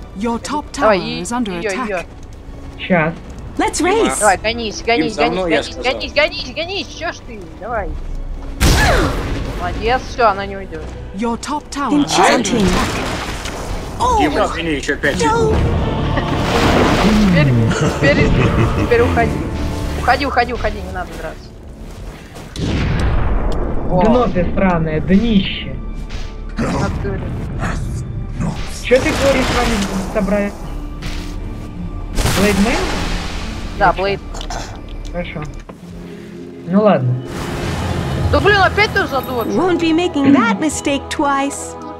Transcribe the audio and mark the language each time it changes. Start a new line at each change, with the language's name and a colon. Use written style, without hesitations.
English: Your top tower is under attack.
Russian: Сейчас.
English: Let's race.
Russian: Давай, гонись, гонись, гонись, гонись, гонись, гонись, гонись, чё ж ты? Давай. Молодец, все, она не уйдет.
English: Your top tower. Enchanting.
Russian: Дима, извини, еще 5 секунд. Теперь уходи. Уходи, не надо драться. Дно ты странное, днище. Что ты говоришь, с вами собрать?
English: Blade Man?
Russian: Да, Blade. Хорошо. Ну ладно. Да блин, опять тоже задумался.
English: Won't be making that mistake twice.